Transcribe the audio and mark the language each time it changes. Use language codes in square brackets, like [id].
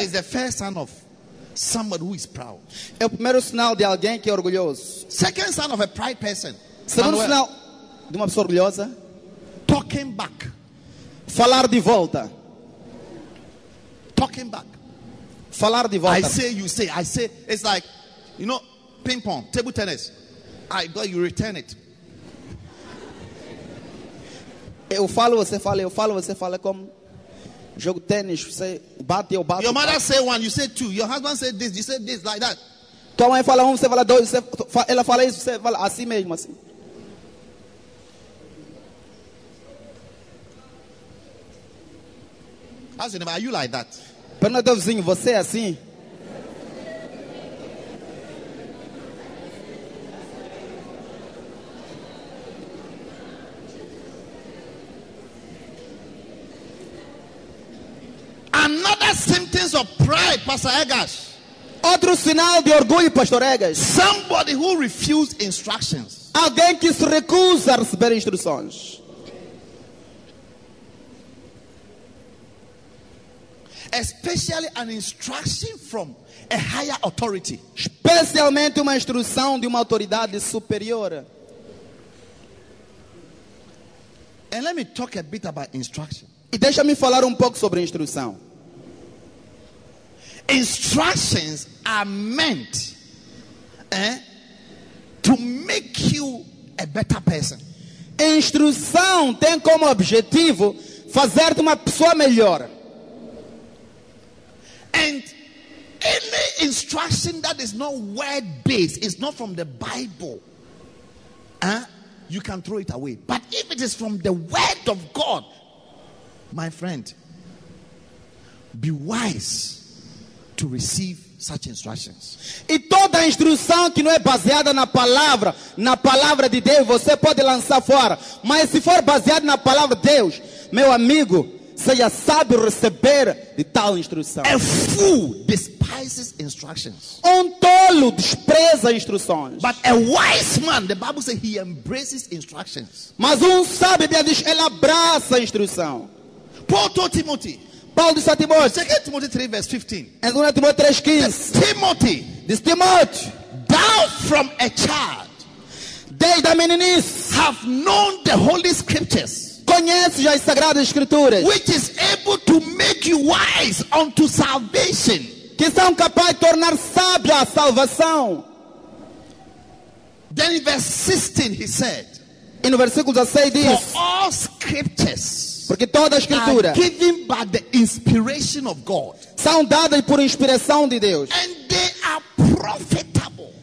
[en] Is the first sign of somebody who is proud. [pt] É o primeiro sinal de alguém que é orgulhoso. [en] Second sign of a pride person. [pt] Segundo sinal de uma pessoa orgulhosa. [en] Talking back. [pt] Falar de volta. [en] Talking back. [pt] Falar de volta. [en] I say, you say, I say. It's like, you know, ping pong, table tennis. I go, you return it. [pt] Eu falo, você fala. Como jogo tênis, você bate, eu bato. [en] Your mother say one, you say two. Your husband say this, you say this, like that. [pt] Tua mãe fala um, você fala dois. Você fala, ela fala isso, você fala assim mesmo, assim. [en] Ask your neighbor, are you like that? [pt] Pergunta ao vizinho, você é assim? [en] Another symptoms of pride, Pastor Egas. [pt] Outro sinal de orgulho, Pastor Egas. [en] Somebody who refuses instructions. [pt] Alguém que se recusa a receber instruções. [en] Especially an instruction from a higher authority. [pt] Especialmente uma instrução de uma autoridade superior. [en] And let me talk a bit about instruction. [pt] E deixa-me falar um pouco sobre instrução. [en] Instructions are meant to make you a better person. [pt] Instrução tem como objetivo fazer-te uma pessoa melhor. [en] And any instruction that is not word based, is not from the Bible, you can throw it away. But if it is from the word of God, my friend, be wise to receive such instructions. [pt] E toda instrução que não é baseada na palavra de Deus, você pode lançar fora. Mas se for baseada na palavra de Deus, meu amigo, seja sábio receber de tal instrução. [en] A fool despises instructions. [pt] Um tolo despreza instruções. [en] But a wise man, the Bible says, he embraces instructions. [pt] Mas sábio, Bíblia diz, ele abraça a instrução. [en] Paul told Timothy. [pt] Paulo disse a Timóteo. [en] 2 Timothy 3, verse 15. [pt] Em 2 Timóteo 3, 15. [en] Timothy. [pt] Diz Timóteo. [en] Thou from a child. [pt] Desde a meninice. [en] Have known the holy scriptures. [pt] Conhece já as sagradas escrituras. [en] Which is able to make you wise unto salvation. [pt] Que são capazes de tornar sábio a salvação. [en] Then in verse 16 he said. [pt] E no versículo 16 diz. [en] For all scriptures. [pt] Porque toda a escritura [en] are given by the inspiration of God. [pt] São dadas por inspiração de Deus. [en] And they are profitable.